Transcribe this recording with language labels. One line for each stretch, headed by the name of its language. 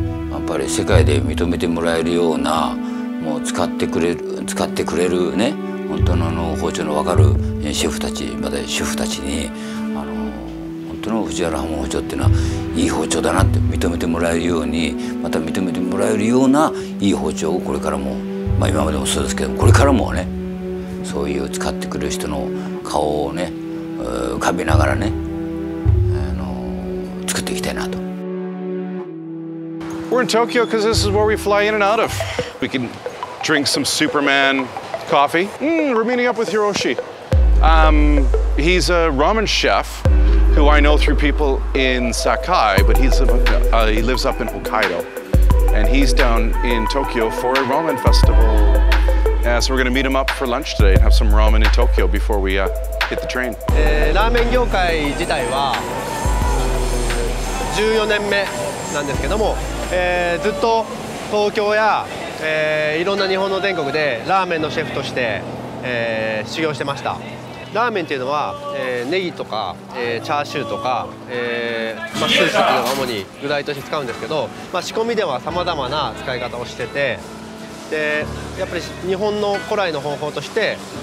Japanese: やっぱり世界で認めてもらえるような、もう使ってくれるね、本当のあの包丁の分かるシェフたち、また主婦たちに、本当の藤原浜包丁っていうのはいい包丁だなって認めてもらえるように、また認めてもらえるようないい包丁を、これからも、まあ今までもそうですけど、これからもね、そういう使ってくれる人の顔をね、浮かびながらね、作っていきたいなと。
English: We're in Tokyo because this is where we fly in and out of. We can drink some Superman coffee. We're meeting up with Hiroshi. He's a ramen chef who I know through people in Sakai, but he lives up in Hokkaido. And he's down in Tokyo for a ramen festival. So we're going to meet him up for lunch today and have some ramen in Tokyo before we hit the train.
Japanese: Ramen 業界自体は14年目なんですけども、ずっと東京や、いろんな日本の全国でラーメンのシェフとして、修行してました。ラーメンっていうのは、ネギとか、チャーシューとか、スープというのが主に具材として使うんですけど、仕込みではさまざまな使い方をしてて、でやっぱり日本の古来の方法として、